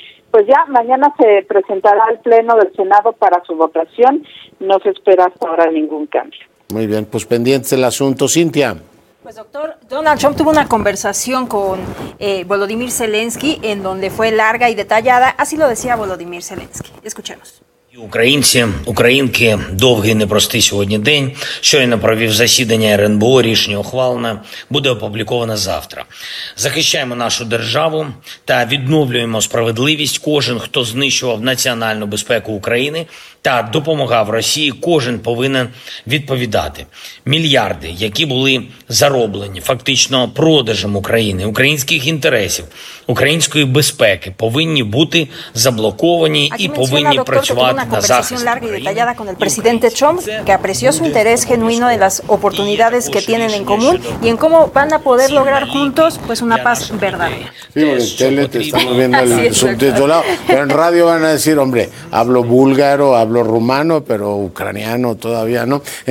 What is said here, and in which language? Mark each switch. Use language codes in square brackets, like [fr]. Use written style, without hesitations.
[es] Pues ya mañana se presentará al Pleno del Senado para su votación. No se espera hasta ahora ningún cambio. Muy bien, pues pendientes del asunto. Cintia. Pues doctor, Donald Trump tuvo una conversación con Volodymyr Zelensky en donde fue larga y detallada, así lo decía Volodymyr Zelensky. Escuchemos. [uk] Українці, українки, довгий непростий сьогодні день. Щойно провів засідання РНБО, рішення ухвалене, буде опубліковане завтра. Захищаємо нашу державу та відновлюємо справедливість. Кожен, хто знищував національну безпеку України та допомагав Росії, кожен повинен відповідати. Мільярди, які були зароблені фактично продажем України, українських інтересів, української безпеки, повинні бути заблоковані і повинні працювати. [es] Una conversación larga y detallada con el presidente Trump, que apreció su interés genuino en las oportunidades que tienen en común y en cómo van a poder lograr juntos pues una paz verdadera. Sí, en tele te estamos viendo el subtitulado, pero en radio van a decir, hombre, hablo búlgaro, hablo rumano, pero ucraniano todavía no.